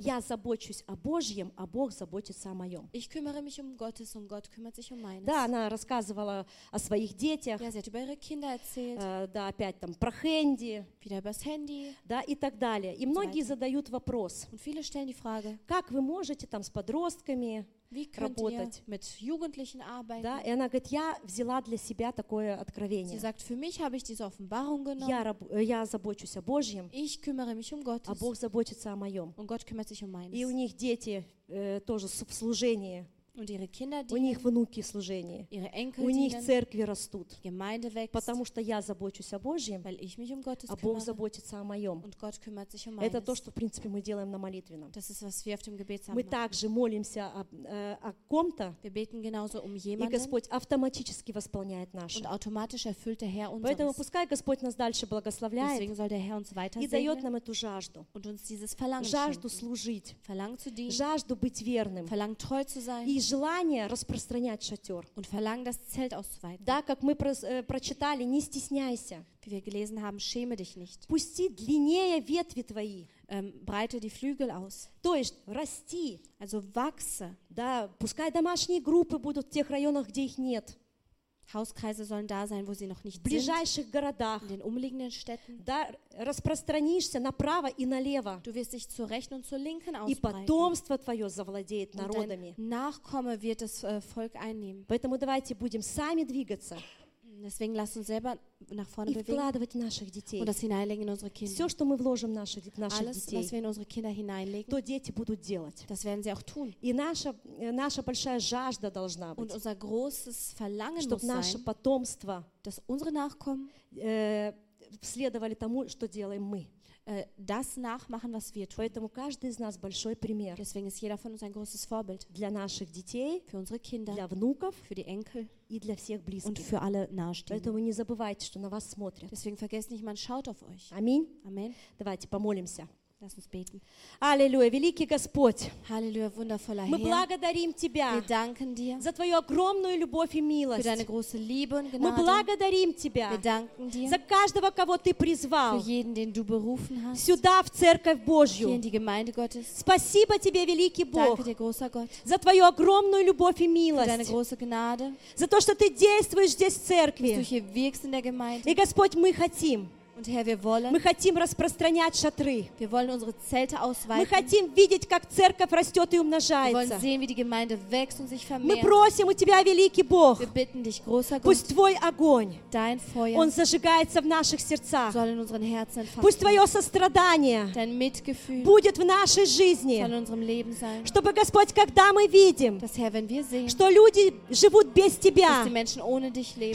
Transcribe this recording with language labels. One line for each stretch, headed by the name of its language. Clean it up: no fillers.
Russian: Я забочусь о Божьем, а Бог заботится о моем.
German: Ich kümmere mich um Gottes und Gott kümmert sich um meines.
Russian: Да, она рассказывала о своих детях.
German: Ja, sie hat über ihre Kinder erzählt.
Russian: Да, опять там про Хэнди.
German: Wieder über das Handy.
Russian: Да, и так далее. И многие задают вопрос.
German: Und viele stellen die Frage.
Russian: Как вы можете там с подростками
German: Wie könnt
Russian: работать.
German: Ihr mit Jugendlichen arbeiten?
Russian: Да, и она говорит, я взяла для себя такое откровение.
German: Sie sagt, für mich habe ich diese Offenbarung genommen.
Russian: Я забочусь о Божьем.
German: Ich kümmere mich um Gottes.
Russian: А Бог заботится о моем.
German: Und Gott kümmert sich um meines.
Russian: И у них дети тоже в служении.
German: Und ihre Kinder dienen,
Russian: у них внуки служения,
German: ihre Enkel dienen,
Russian: у них церкви растут,
German: Gemeinde wächst,
Russian: потому что я заботюсь о Божьем,
German: weil ich mich um Gottes kümmere,
Russian: а Бог заботится о моем.
German: Und Gott kümmert sich um meines.
Russian: Это то, что в принципе мы делаем на молитвенном.
German: Das ist, was wir auf dem Gebetsamt
Russian: мы
German: machen.
Russian: Также молимся о ком-то,
German: wir beten genauso um jemanden,
Russian: и Господь автоматически восполняет наше.
German: Und automatisch erfüllt der Herr unseres.
Russian: Поэтому пускай Господь нас дальше благословляет,
German: deswegen soll der Herr uns weitersegnen,
Russian: и дает нам эту жажду,
German: und uns dieses Verlangen
Russian: жажду
German: schenken.
Russian: Служить,
German: Verlangen zu dienen,
Russian: жажду быть верным,
German: Verlangen treu zu sein.
Russian: И желание распространять шатер.
German: Und verlangen, das Zelt auszuweiten.
Russian: Да, как мы прочитали, не стесняйся.
German: Wie wir gelesen haben, schäme dich nicht.
Russian: Пусти длиннее ветви твои.
German: Breite die Flügel aus.
Russian: То есть, расти.
German: Also wachse.
Russian: Да, пускай домашние группы будут в тех районах, где их нет.
German: Hauskreise sollen da sein, wo sie noch nicht sind.
Russian: В ближайших городах.
German: In den umliegenden Städten.
Russian: Да, распространишься направо и налево.
German: Du wirst dich zur rechten und zur linken ausbreiten.
Russian: И потомство твое завладеет народами.
German: Und dein Nachkomme wird das Volk einnehmen.
Russian: Поэтому давайте будем сами двигаться.
German: Deswegen lass uns selber nach vorne
Russian: и
German: bewegen.
Russian: Вкладывать наших детей.
German: Und das hineinlegen in unsere Kinder.
Russian: Все, что мы вложим наших детей.
German: Alles, was wir in unsere Kinder hineinlegen.
Russian: То дети будут делать.
German: Das werden sie auch tun.
Russian: И наша большая жажда должна быть.
German: Und unser großes Verlangen
Russian: чтобы
German: muss
Russian: наше потомство,
German: dass unsere Nachkommen,
Russian: следовали тому, что делаем мы.
German: Das nachmachen, was wir tun.
Russian: Поэтому каждый из нас большой пример.
German: Deswegen ist jeder von uns ein großes Vorbild.
Russian: Для наших детей,
German: für unsere Kinder,
Russian: для внуков,
German: für die Enkel,
Russian: и для всех близких.
German: Und für alle Nahestehenden.
Russian: Поэтому не забывайте, что на вас смотрят.
German: Deswegen vergesst nicht, man schaut auf euch.
Russian: Аминь.
German: Amen.
Russian: Давайте помолимся.
German: Lass uns beten.
Russian: Аллилуйя, великий Господь.
German: Halleluja, wundervoller Herr.
Russian: Мы благодарим тебя.
German: Wir danken dir.
Russian: За твою огромную любовь и милость.
German: Für deine große Liebe und Gnade.
Russian: Мы благодарим тебя.
German: Wir danken dir.
Russian: За каждого, кого ты призвал.
German: Für jeden, den du berufen hast.
Russian: Сюда в церковь Божью.
German: Hier in die Gemeinde Gottes.
Russian: Спасибо тебе, великий Бог.
German: Danke dir, großer Gott.
Russian: За твою огромную любовь и милость.
German: Für deine große Gnade.
Russian: За то, что ты действуешь здесь в церкви.
German: Dass du hier wirkst in der Gemeinde.
Russian: И Господь, мы хотим.
German: Und Herr, wir wollen,
Russian: мы хотим распространять шатры.
German: Wir wollen unsere Zelte ausweiten.
Russian: Мы хотим видеть, как церковь растет и умножается.
German: Wir wollen sehen, wie die Gemeinde wächst und sich vermehrt.
Russian: Мы просим у тебя, великий Бог,
German: wir bitten dich, großer Gott,
Russian: пусть твой огонь,
German: dein Feuer,
Russian: он зажигается в наших сердцах.
German: Soll in unseren Herzen entfachen.
Russian: Пусть твое сострадание,
German: dein Mitgefühl,
Russian: будет в нашей жизни.
German: Soll in unserem Leben sein.
Russian: Чтобы, Господь, когда мы видим,
German: dass, Herr, wenn wir sehen,
Russian: что люди живут без тебя,
German: dass die Menschen ohne dich leben,